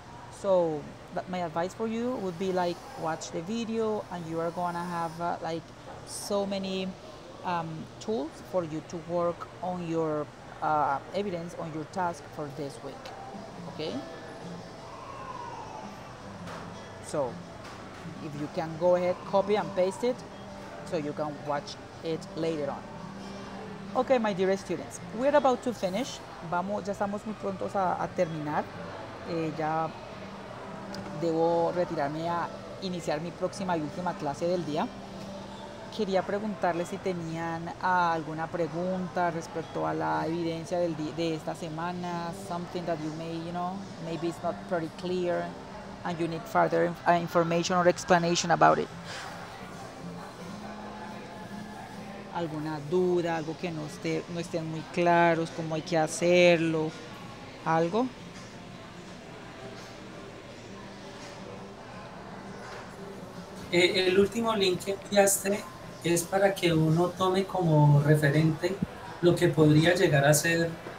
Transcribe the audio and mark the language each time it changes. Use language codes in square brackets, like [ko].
[en] So but my advice for you would be like watch the video, and you are gonna have like so many tools for you to work on your evidence on your task for this week. Okay, so if you can go ahead, copy and paste it so you can watch it later on. Okay, my dear students, we're about to finish. [es] Vamos, ya estamos muy prontos a terminar. Ya debo retirarme a iniciar mi próxima y última clase del día. Quería preguntarles si tenían alguna pregunta respecto a la evidencia de esta semana. [en] Something that you may, you know, maybe it's not pretty clear and you need further information or explanation about it. [es] ¿Alguna duda, algo que no estén muy claros, cómo hay que hacerlo, algo? El último link que enviaste es para que uno tome como referente lo que podría llegar a ser